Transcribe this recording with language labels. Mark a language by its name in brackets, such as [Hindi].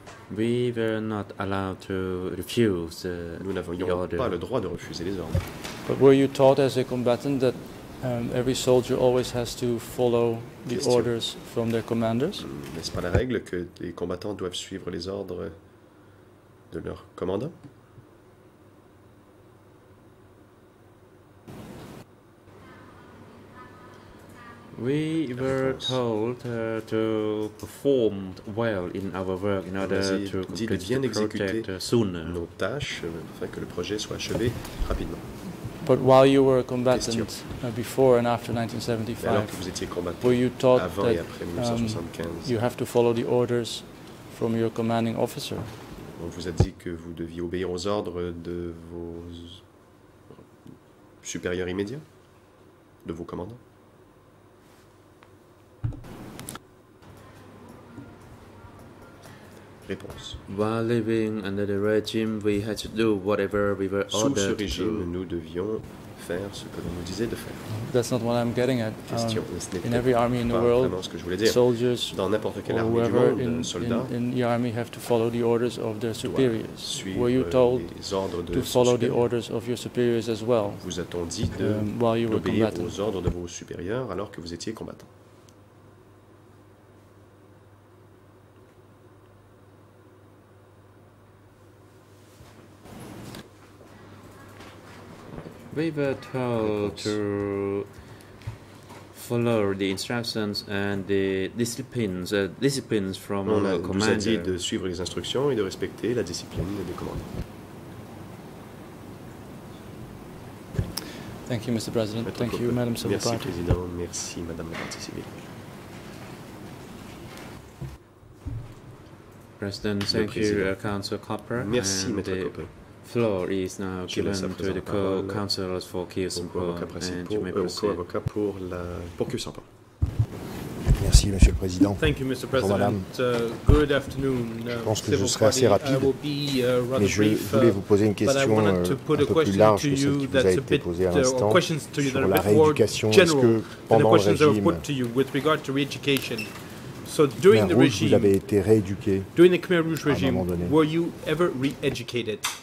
[English] We were not allowed to refuse the order. [French] Nous n'avions pas le droit de refuser les ordres. [English] But were you taught as a combatant that every soldier always has to follow the Question. Orders from their commanders? [French] N'est-ce pas la règle que les combattants doivent suivre les ordres de leur commandant? [English] We were told to perform well in our work in order to complete the project sooner. [French] Nos tâches, afin que le projet soit achevé rapidement. [English] But while you were a combatant before and after 1975, were you taught that you have to follow the orders from your commanding officer? [French] On vous a dit que vous deviez obéir aux ordres de vos supérieurs immédiats, de vos commandants. Réponse. [English] While living under the regime, we had to do whatever we were ordered [French] Sous ce régime, [English] to do. [French] Nous devions faire ce que l'on nous disait de faire. [English] That's not what I'm getting at. In every army in the world, soldiers [French] dans n'importe quelle [English] or whoever in the army have to follow the orders of their superiors. Were you told to follow the orders of your superiors as well? [French] Vous a-t-on dit de [English] while you were combatant? [French] Aux ordres de vos supérieurs alors que vous étiez combattant? [English] We were told to follow the instructions and the disciplines from the commander. [French] On nous a dit de suivre les instructions et de respecter la discipline des commandants. [English] Thank you, Mr. President. Thank you, Madam Civil Party. [French] Merci, Président. Merci, Madame la Partie Civile. [English] President, thank you, Councillor Copper. [French] Merci, Maître Copper. [English] Floor is now given to the co-counselors for Kyiv Saint-Paul and [French] Merci, Monsieur le Président. [English] Thank you, Mr. President. Good afternoon. [French] Je pense que je serai assez rapide, mais je voulais vous poser une question un peu plus large que celle qui vous a été posée à l'instant sur la rééducation. Est-ce que pendant le régime Khmer Rouge, vous avez été rééduqué [English] during the Khmer Rouge regime, were you ever re-educated?